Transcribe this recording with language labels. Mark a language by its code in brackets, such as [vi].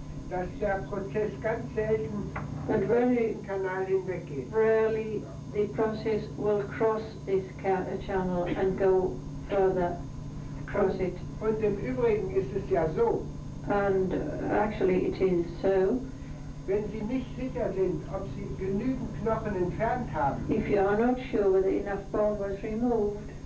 [de] Dass der Prozess ganz selten über den Kanal hinweggeht. [en] Rarely the process will cross this channel and go further across it. [de] Und im Übrigen ist es ja so. [en] And actually it is so. [de] Wenn Sie nicht sicher sind, ob Sie genügend Knochen entfernt haben, [en] if you are not sure whether enough bone was removed,